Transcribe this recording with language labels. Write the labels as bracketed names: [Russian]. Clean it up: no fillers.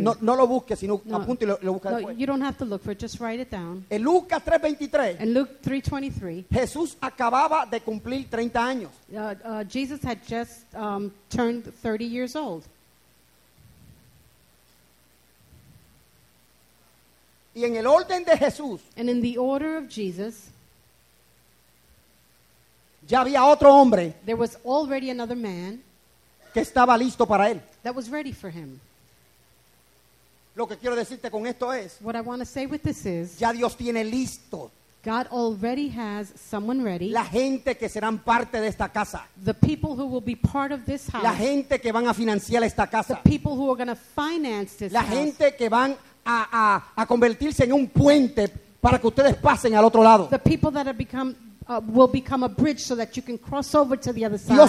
[Spanish] No lo busques, sino no, apunte y lo busca después. [English] You don't have to look for it, just write it down. [Spanish] En Lucas 3:23. [English] In Luke 3:23. [Spanish] Jesús acababa de cumplir 30 años. [English] Jesus had just turned 30 years old. [Spanish] Y en el orden de Jesús. [English] And in the order of Jesus. [Spanish] Ya había otro hombre. [English] There was already another man. [Spanish] Que estaba listo para él. [English] That was ready for him. [Spanish] Lo que quiero decirte con esto es, [English] what I want to say with this is, [Spanish] ya Dios tiene listo. [English] God already has someone ready. [Spanish] La gente que serán parte de esta casa. [English] The people who will be part of this house. [Spanish] La gente que van a financiar esta casa. [English] The people who are going to finance this house. [Spanish] La gente que van a convertirse en un puente para que ustedes pasen al otro lado. [English] The people that have become will become a bridge so that you can cross over to the other side.